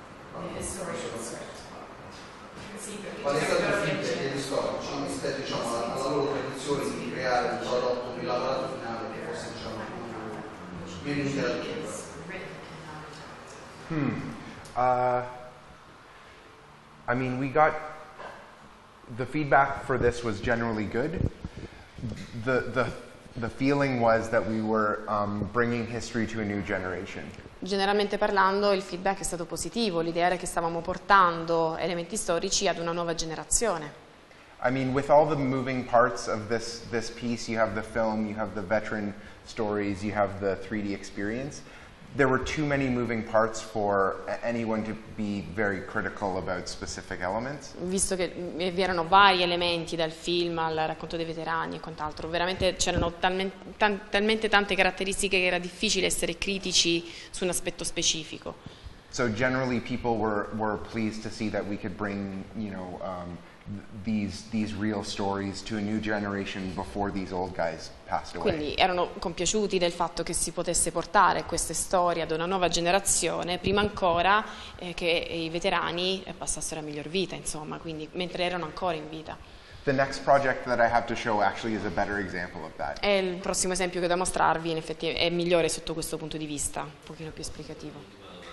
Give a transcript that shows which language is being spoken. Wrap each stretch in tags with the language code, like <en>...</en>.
<it>Qual è stato il feedback degli storici rispetto, diciamo, alla loro tradizione di creare un prodotto, di lavorato finale che fosse, diciamo, meno interattivo?</it> <en>I mean, we got the feedback for this was generally good. The feeling was that we were bringing history to a new generation.</en> <it>Generalmente parlando, il feedback è stato positivo. L'idea era che stavamo portando elementi storici ad una nuova generazione.</it> <en>I mean, with all the moving parts of this piece, you have the film, you have the veteran stories, you have the 3D experience. There were too many moving parts for anyone to be very critical about specific elements.</en> <it>Visto che vi erano vari elementi dal film al racconto dei veterani e quant'altro, veramente c'erano talmente tante caratteristiche che era difficile essere critici su un aspetto specifico.</it> <en>So generally people were pleased to see that we could bring, you know, these real stories to a new generation before these old guys passed away.</en> <it>Quindi erano compiaciuti del fatto che si potesse portare queste storie ad una nuova generazione prima ancora che I veterani passassero a miglior vita, insomma, quindi mentre erano ancora in vita.</it> <en>The next project that I have to show actually is a better example of that.</en> <it>È il prossimo esempio che ho da mostrarvi, in effetti è migliore sotto questo punto di vista, un pochino più esplicativo.</it>